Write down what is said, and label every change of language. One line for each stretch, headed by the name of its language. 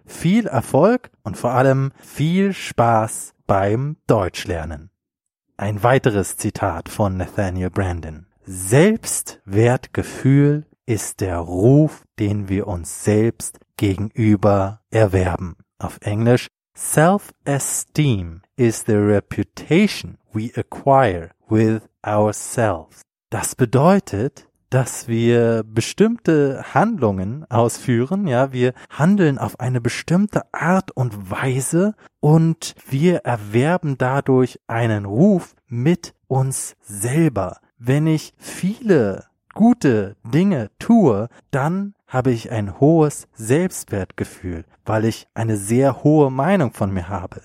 German: Viel Erfolg und vor allem viel Spaß beim Deutschlernen. Ein weiteres Zitat von Nathaniel Branden. Selbstwertgefühl ist der Ruf, den wir uns selbst gegenüber erwerben. Auf Englisch:
English: Self-esteem is the reputation we acquire with ourselves.
German: Das bedeutet, dass wir bestimmte Handlungen ausführen, ja, wir handeln auf eine bestimmte Art und Weise und wir erwerben dadurch einen Ruf mit uns selber. Wenn ich viele gute Dinge tue, dann habe ich ein hohes Selbstwertgefühl, weil ich eine sehr hohe Meinung von mir habe.